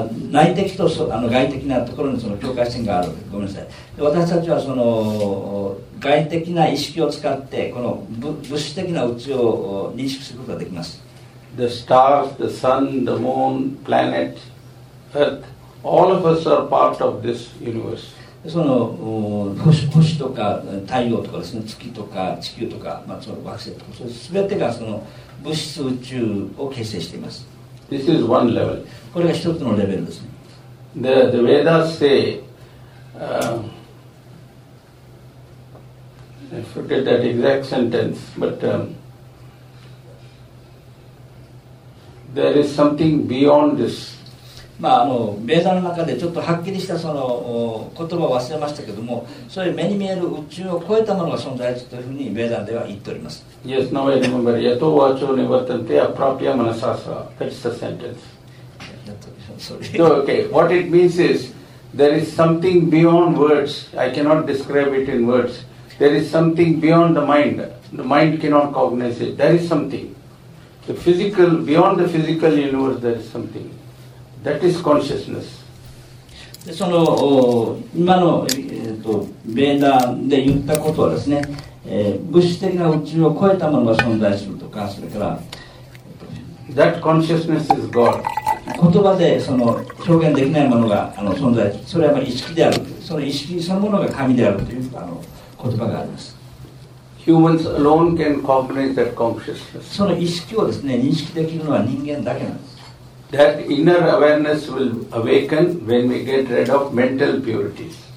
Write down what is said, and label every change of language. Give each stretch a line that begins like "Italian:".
Japanese: 内的と外的なところにその境界線がある。ごめんなさい。で私たちはその外的な意識を使ってこの物質的な宇宙を認識することができます。
English: The stars, the sun, the moon, planet, earth, all of us are part of this universe.
Japanese: その星とか太陽とかですね、月とか地球とか、まあ、その惑星とか、それ全てがその物質宇宙を形成しています。
English: This is one level.
Japanese: これが一つのレベルですね。
English: The Vedas say,I forget that exact sentence, but there is something beyond this.
Japanese: まあベーダの中でちょっとはっきりしたその言葉を忘れましたけども、そういう目に見える宇宙を超えたものが存在するというふうにベーダでは言っております。
English: Yes, now I remember.
Sanskrit: Yato vacho nivartante apropya manasasa.
English: That's the sentence. Sorry. So, okay, what it means is there is something beyond words. I cannot describe it in words. There is something beyond the mind. The mind cannot cognize it. There is something. The physical, beyond the physical universe, there is something. That is consciousness.
Japanese: で、その、今の、ベーダで言ったことはですね、物質的な宇宙を超えたものが存在するとか、それから、
English: That consciousness is God.
Japanese: 言葉でその表現できないものが存在する。それは意識である。その意識そのものが神であるという。言葉があります。
English: Humans alone can cognize that consciousness.
Japanese: その意識をですね、認識できるのは人間だけなんです。
English: That inner awareness will awaken when we get rid of mental purities.